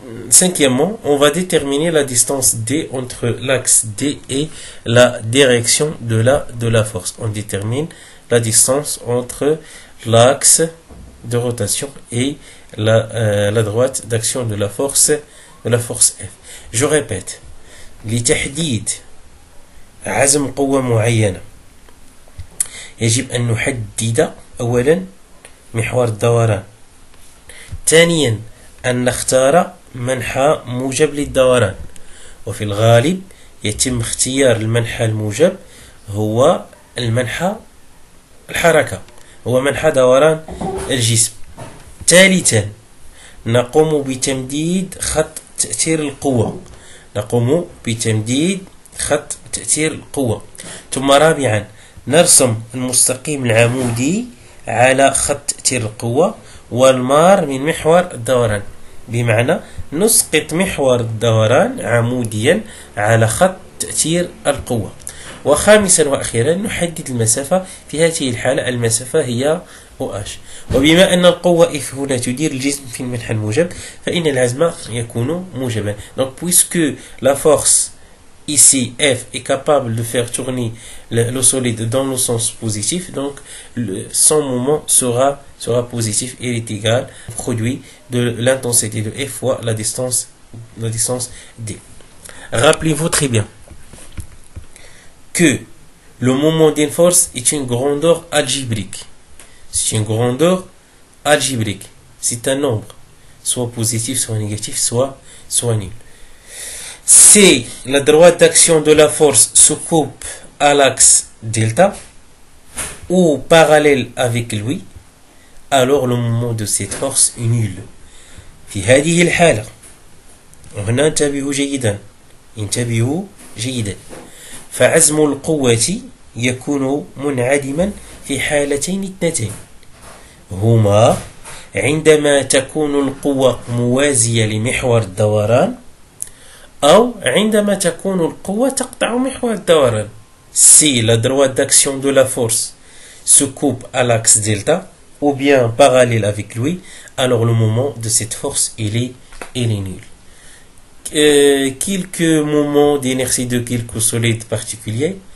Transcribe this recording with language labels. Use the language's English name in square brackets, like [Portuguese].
[French] Cinquièmement, on va déterminer la distance D entre l'axe D et la direction de la force. On détermine la distance entre l'axe de rotation et la droite d'action de la force F. Je répète, [Arabic] لتحديد عزم قوة معينة يجب أن نحدد أولا محور الدوران، ثانيا أن نختار منحى موجب للدوران، وفي الغالب يتم اختيار المنحى الموجب هو المنحى الحركة، هو منحى دوران الجسم. ثالثا نقوم بتمديد خط تأثير القوة، نقوم بتمديد خط تأثير القوة. ثم رابعا نرسم المستقيم العمودي على خط تأثير القوة والمار من محور الدوران، بمعنى نسقط محور الدوران عموديا على خط تأثير القوة. وخامسا وأخيرا نحدد المسافة، في هذه الحالة المسافة هي OH. وبما أن القوة F هنا تدير الجسم في المنحى الموجب، فإن العزم يكون موجبا. [French] Donc puisque la force ici F est capable de faire tourner le solide dans le sens positif, donc son moment sera positif et est égal au produit de l'intensité de F fois la distance D. Rappelez-vous très bien que le moment d'une force est une grandeur algébrique. C'est une grandeur algébrique. C'est un nombre, soit positif, soit négatif, soit nul. Si la droite d'action de la force se coupe à l'axe delta ou parallèle avec lui, alors le moment de cette force est nul. [Arabic] في هذه الحالة، هنا انتبهوا جيدا، انتبهوا جيدا. فعزم القوة يكون منعدما في حالتين اثنتين. هما عندما تكون القوة موازية لمحور الدوران، أو عندما تكون القوة تقطع محور الدوران. [French] Si la droite d'action de la force se coupe à l'axe delta, ou bien parallèle avec lui, alors le moment de cette force, il est nul. Quelques moments d'inertie de quelques solides particuliers.